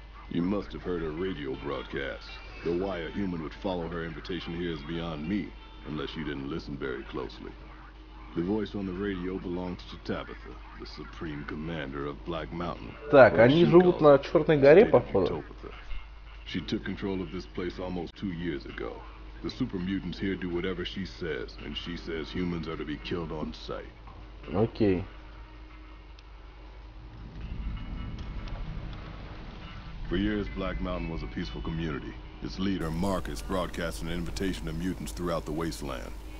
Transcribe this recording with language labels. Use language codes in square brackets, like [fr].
[en] You must have heard her radio broadcast. The why a human would follow her invitation here is beyond me, unless you didn't listen very closely. The voice on the radio belongs to Tabitha, the supreme commander of Black Mountain. [ru] Так, они живут на Черной горе, походу. [en] She took control of this place almost 2 years ago. The super mutants here do whatever she says, and she says humans are to be killed on sight. [ru] Окей. [en] For years, Black Mountain was a peaceful community. Its leader, Marcus, broadcast an invitation to mutants throughout the wasteland.